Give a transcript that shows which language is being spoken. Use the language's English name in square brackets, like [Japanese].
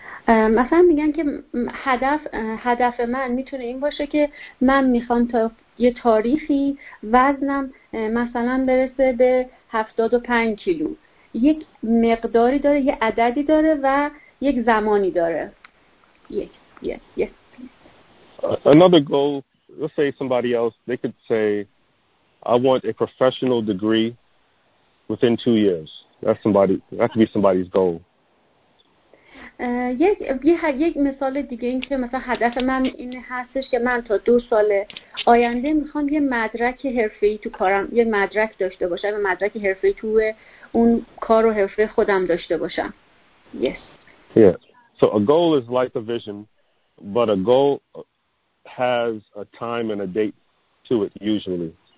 [Persian] مثلا میگن که هدف من میتونه این باشه که من میخوام تا یه تاریخی وزنم مثلا برسه به 75 کیلو. یک مقداری داره، یه عددی داره و یک زمانی داره. [English] Yes. Another goal, let's say somebody else, they could say, I want a professional degree within 2 years. That could be somebody's goal. [Persian] یک مثال دیگه این که مثلا هدف من اینه هستش که من تا 2 سال آینده میخوام یه مدرک حرفه‌ای تو کارم، یه مدرک داشته باشم، یه مدرک حرفه‌ای تو اون کار و حرفه خودم داشته باشم. [English] Yes. Yeah. So a goal is like a vision, but a goal has a time and a date to it usually.